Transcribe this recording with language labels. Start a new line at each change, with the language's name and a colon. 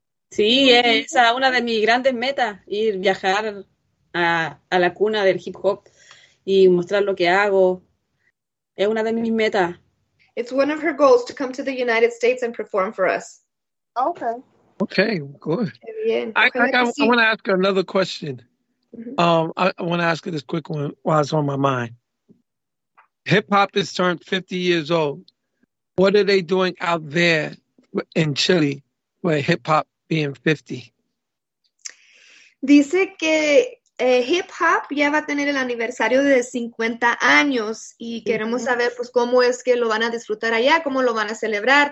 Spanish: Sí, es una de mis grandes metas, ir viajar a la cuna del hip hop y mostrar lo que hago. Es una de mis metas.
English: It's one of her goals to come to the United States and perform for us. Okay, good. I want to ask her another question. Mm-hmm. I want to ask her this quick one while it's on my mind. Hip hop has turned 50 years old. What are they doing out there in Chile with hip hop being 50?
Spanish: Dice que hip hop ya va a tener el aniversario de 50 años y queremos saber pues cómo es que lo van a disfrutar allá, cómo lo van a celebrar.